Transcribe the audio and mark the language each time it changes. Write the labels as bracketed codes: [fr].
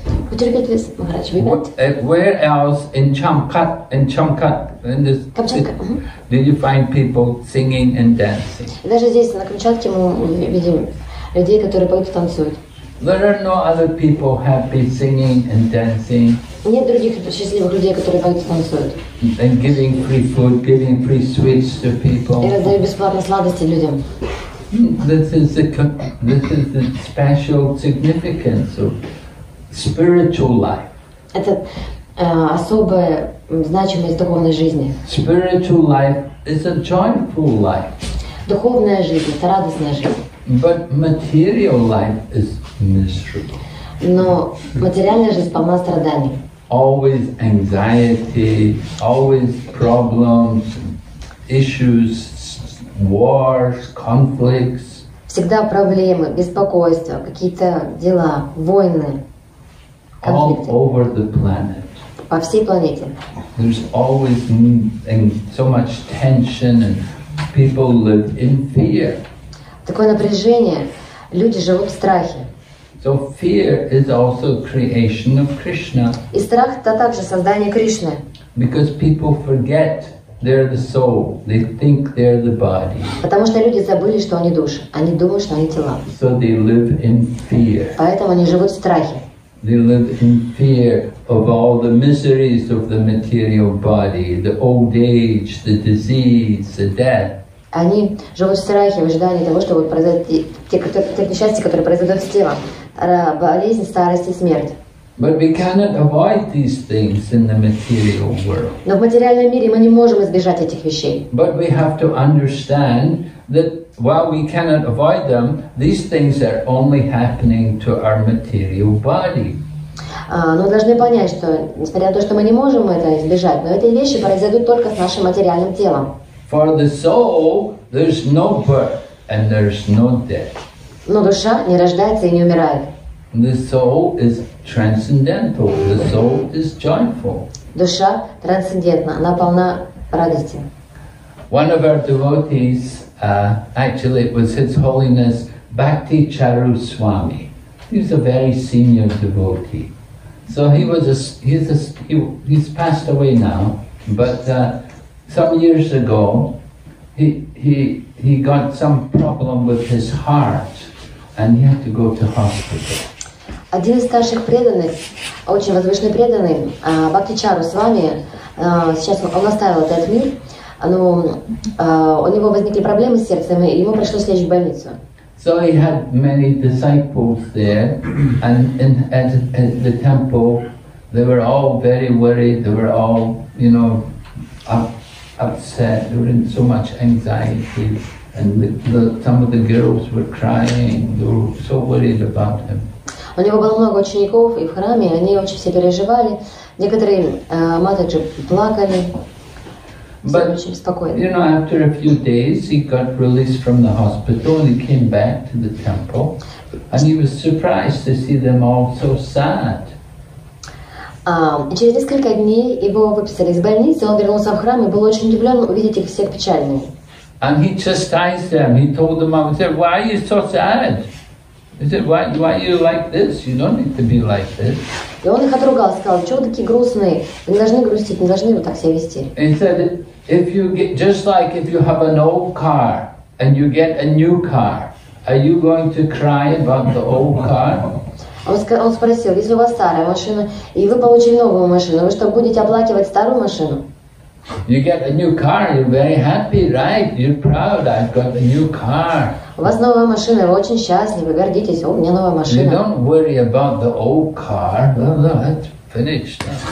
[en] Could you repeat this, Maharaj? Where else in Kamchatka, did you find people singing and dancing? [ru] Даже здесь на Камчатке мы видим людей, которые поют и танцуют. [en] There are no other people happy singing and dancing. [ru] Нет других счастливых людей, которые поют и танцуют. [en] And giving free food, giving free sweets to people. [ru] И раздают бесплатные сладости людям. [en] This is the special significance of spiritual life. [ru] Это особая значимость духовной жизни. [en] Spiritual life is a joyful life. [ru] Духовная жизнь — это радостная жизнь. [en] But material life is miserable. [ru] Но материальная жизнь полна страданий. [en] Always anxiety, always problems, issues, wars, conflicts. [ru] Всегда проблемы, беспокойство, какие-то дела, войны. [en] All over the planet. [ru] По всей планете. [en] There's always so much tension and people live in fear. [ru] Такое напряжение, люди живут в страхе. [en] So fear is also creation of Krishna. [ru] И страх — это также создание Кришны. [en] Because people forget they're the soul, they think they're the body. [ru] Потому что люди забыли, что они души, они думают, что они тела. [en] So they live in fear. [ru] Поэтому они живут в страхе. [en] They live in fear of all the miseries of the material body, the old age, the disease, the death. [ru] Они живут в страхе, в ожидании того, что будут произойти те несчастья, которые произойдут с телом. Болезнь, старость и смерть. Но в материальном мире мы не можем избежать этих вещей. [en] But we have to understand that while we cannot avoid them, these things are only happening to our material body. [ru] Но мы должны понять, что несмотря на то, что мы не можем это избежать, но эти вещи произойдут только с нашим материальным телом. [en] For the soul, there's no birth and there's no death. [ru] Но душа не рождается и не умирает. [en] The soul is transcendental. The soul is joyful. [ru] Душа трансцендентна, она полна радости. [en] One of our devotees, actually, it was His Holiness Bhakti Charu Swami. He's a very senior devotee. So he's passed away now, but. Some years ago, he got some problem with his heart, and he had to go to hospital. [ru] Один из старших преданных, очень возвышенный преданный, Бхакти Чару Свами, сейчас он оставил этот мир, Ну, у него возникли проблемы с сердцем, и ему пришлось лечь в больницу. [en] So he had many disciples there, and in at the temple, they were all very worried. They were all, you know, upset. They were in so much anxiety, and some of the girls were crying. They were so worried about him. [ru] У него было много учеников, и в храме они очень все переживали. Некоторые матери плакали. [en] But, you know, after a few days, he got released from the hospital and he came back to the temple. And he was surprised to see them all so sad. [ru] Через несколько дней его выписали из больницы, он вернулся в храм и был очень удивлен увидеть их всех печальными. [en] And he chastised them. He told them, I said, why are you so sad? He said, why are you like this? You don't need to be like this. [ru] И он их отругал, сказал, что вы такие грустные, вы не должны грустить, не должны вот так себя вести. [en] He said, if you get, just like if you have an old car and you get a new car, are you going to cry about the old car? [ru] Он спросил, если у вас старая машина, и вы получили новую машину, вы что, будете оплакивать старую машину? [en] You get a new car, you're very happy, right? You're proud, I've got a new car. [ru] У вас новая машина, вы очень счастливы, гордитесь, у меня новая машина. [en] You don't worry about the old car, well, that's finished.